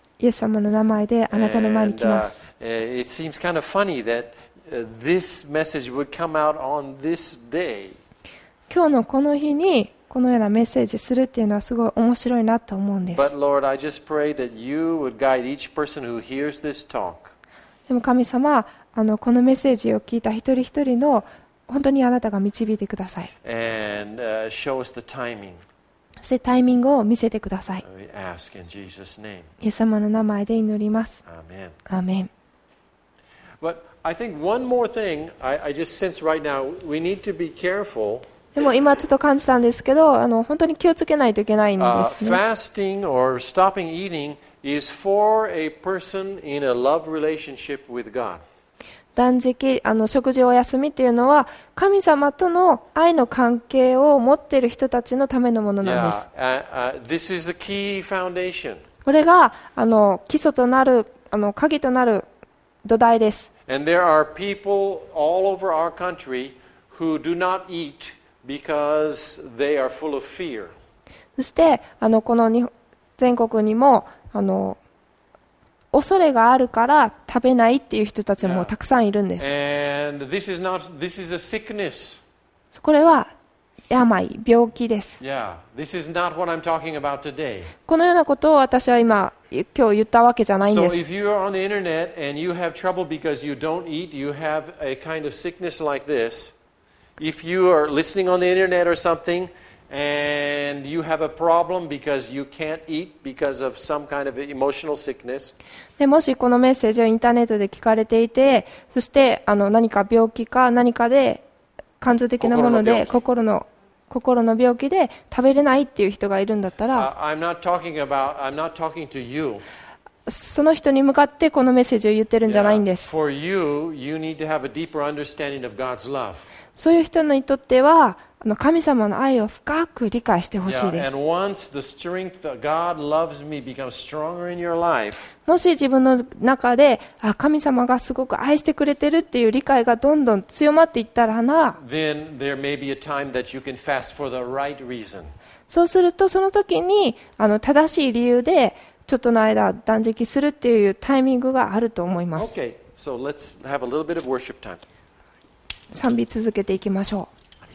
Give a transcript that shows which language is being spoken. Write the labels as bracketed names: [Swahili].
[Japanese] イエス様の名前であなたの前に来ます。 [English] It seems kind of funny that this message would come out on this day. [Japanese] 今日のこの日にこのようなメッセージするっていうのはすごい面白いなと思うんです。 [English] But Lord, I just pray that you would guide each person who hears this talk. [Japanese] でも神様、あのこのメッセージを聞いた一人一人の本当にあなたが導いてください。 [English] And, show us the timing. [Japanese] そしてタイミングを見せてください。 [English] We ask in Jesus name. [Japanese] イエス様の名前で祈ります。アーメン。アーメン。 [English] But I think one more thing I just sense right now, we need to be careful [Japanese] でも今ちょっと感じたんですけど、あの本当に気をつけないといけないんですね。 [English] Fasting or stopping eating is for a person in a love relationship with God. [Japanese] 断食、あの食事お休みっていうのは神様との愛の関係を持っている人たちのためのものなんです。 [English] Yeah, this is the key foundation. [Japanese] これがあの基礎となる、あの鍵となる土台です。 [English] And there are people all over our country who do not eat. Because they are full of fear. [Japanese] そしてあのこの全国にもあの恐れがあるから食べないっていう人たちもたくさんいるんです。 [English] Yeah. And this is not, this is a sickness. [Japanese] これは病、病気です。 [English] Yeah. This is not what I'm talking about today. [Japanese] このようなことを私は今今日言ったわけじゃないんです。 [English] So if you are on the internet and you have trouble because you don't eat, you have a kind of sickness like this. If you are listening on the internet or something and you have a problem because you can't eat because of some kind of emotional sickness. [Japanese] でもしこのメッセージをインターネットで聞かれていて、そしてあの何か病気か何かで感情的なもので心の病気で食べれないっていう人がいるんだったら、 [English] I'm not talking to you. [Japanese] その人に向かってこのメッセージを言ってるんじゃないんです。 [English] For you, you need to have a deeper understanding of God's love. [Japanese] そういう人にとっては、あの神様の愛を深く理解してほしいです。 [English] Yeah, and once the strength that God loves me becomes stronger in your life, [Japanese] もし自分の中で、あ、神様がすごく愛してくれてるっていう理解がどんどん強まっていったらな、 [English] then there may be a time that you can fast for the right reason. [Japanese] そうするとその時にあの正しい理由で。ちょっとの間断食するっていうタイミングがあると思います。 [English] Okay. So let's have a little bit of worship time. [Japanese] 賛美続けていきましょう。